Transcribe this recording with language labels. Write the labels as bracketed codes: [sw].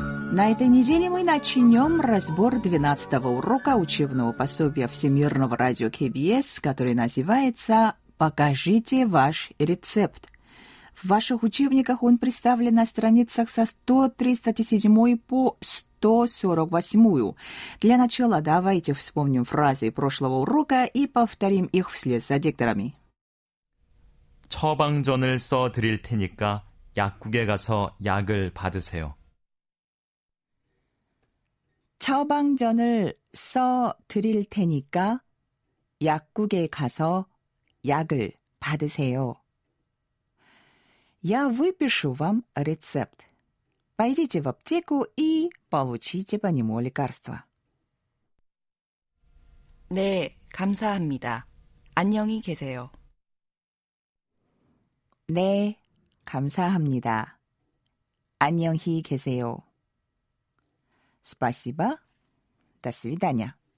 [ru] На этой неделе мы начнем разбор 12-го урока учебного пособия Всемирного радио КБС, который называется «Покажите ваш рецепт». В ваших учебниках он представлен на страницах со 137 по 148. Для начала давайте вспомним фразы прошлого урока и повторим их вслед за дикторами. [ko] 처방전을 써드릴 테니까 약국에 가서 약을 받으세요. 처방전을 써드릴 테니까 약국에 가서 약을 받으세요. [ru] Я выпишу вам рецепт. Пойдите в аптеку и получите по нему лекарство. [ko] 네, 감사합니다. 안녕히 계세요. 네, 감사합니다. 안녕히 계세요. [ru] Спасибо. До свидания.